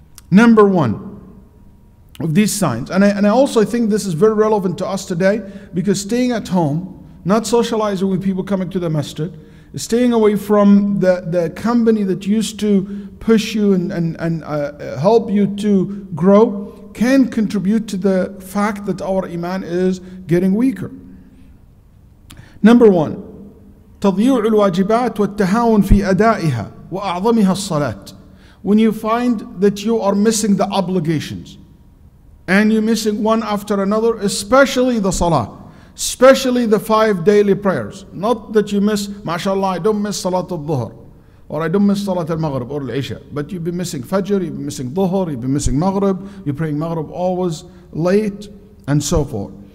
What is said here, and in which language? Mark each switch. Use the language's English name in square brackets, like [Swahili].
[English] Number one of these signs, and I also think this is very relevant to us today, because staying at home, not socializing with people coming to the masjid, staying away from the company that used to push you and help you to grow, can contribute to the fact that our iman is getting weaker. [Arabic] Number one, تضييع الواجبات والتهاون في أدائها وأعظمها الصلاة. [English] When you find that you are missing the obligations, and you're missing one after another, especially the salah, especially the five daily prayers. Not that you miss, mashallah, I don't miss salat al-dhuhr, or I don't miss salat al-maghrib or al-isha, but you've been missing fajr, you've been missing dhuhr, you've been missing maghrib, you're praying maghrib always late, and so forth.